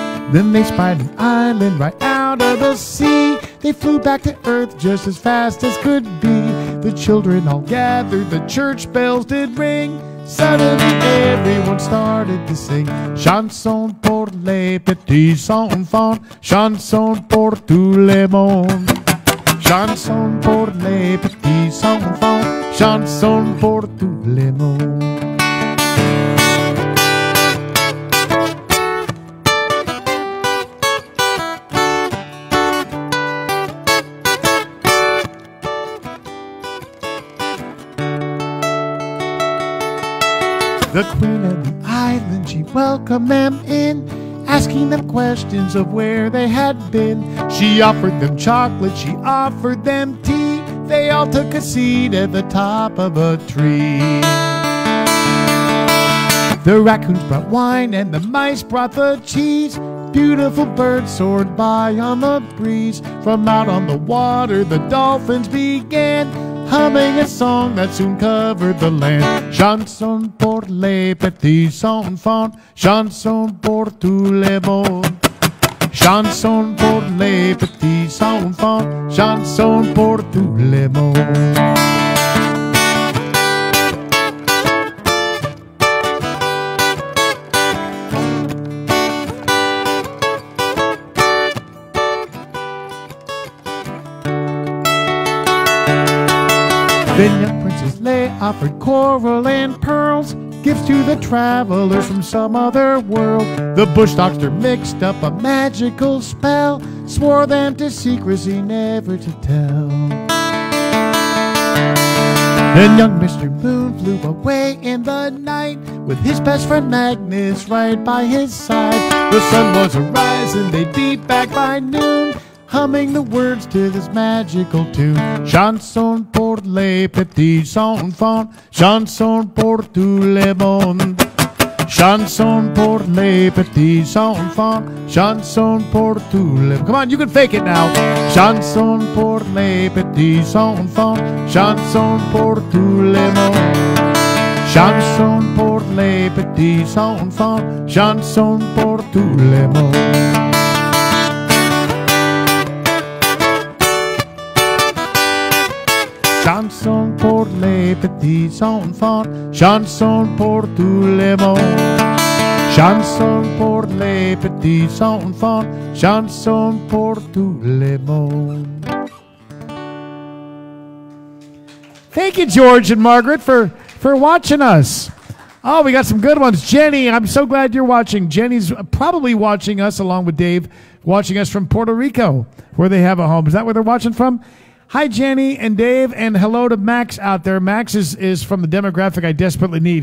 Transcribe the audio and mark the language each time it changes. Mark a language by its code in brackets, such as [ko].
[en] Then they spied an island right out of the sea. They flew back to Earth just as fast as could be. The children all gathered, the church bells did ring. Suddenly everyone started to sing. [fr] Chanson pour les petits enfants, chanson pour tout le monde. Chanson pour les petits enfants, chanson pour tout le monde. [en] The queen of the island, she welcomed them in, asking them questions of where they had been. She offered them chocolate, she offered them tea. They all took a seat at the top of a tree. The raccoons brought wine and the mice brought the cheese. Beautiful birds soared by on the breeze. From out on the water, the dolphins began humming a song that soon covered the land. [fr] Chanson pour les petits enfants, chanson pour tout le monde. Chanson pour les petits enfants, chanson pour tout le monde. [en] Then young Princess Leia offered coral and pearls, gifts to the travelers from some other world. The bush doctor mixed up a magical spell, swore them to secrecy, never to tell. Then young Mr. Moon flew away in the night with his best friend Magnus right by his side. The sun was arising, they'd be back by noon, humming the words to this magical tune. [fr] Chanson pour les petits enfants, chanson pour tout le monde. Chanson pour les petits enfants, chanson pour tout le monde. [en] Come on, you can fake it now. [fr] Chanson pour les petits enfants, chanson pour tout le monde. Chanson pour les petits enfants, chanson pour tout le monde. Chanson pour les petits enfants, chanson pour tout le monde. Chanson pour les petits enfants, chanson pour tout le monde. [en] Thank you, George and Margaret, for watching us. Oh, we got some good ones. Jenny, I'm so glad you're watching. Jenny's probably watching us along with Dave, watching us from Puerto Rico, where they have a home. Is that where they're watching from? Hi, Jenny and Dave, and hello to Max out there. Max is from the demographic I desperately need.